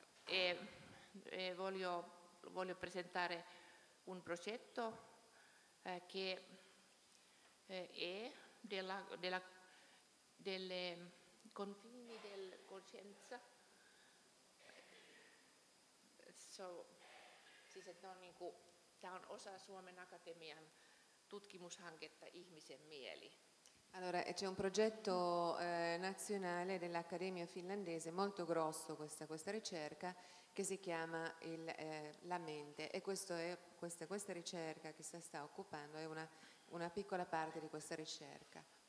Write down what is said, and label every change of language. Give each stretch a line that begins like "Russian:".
Italian: E voglio presentare un progetto che è delle confini del coscienza.
Finnish: Siis tämä on, osa Suomen Akatemian tutkimushanketta ihmisen mieli.
Italian: Allora, c'è un progetto nazionale dell'Accademia finlandese, molto grosso questa ricerca, che si chiama la mente, e questa ricerca che si sta occupando è una piccola parte di questa ricerca.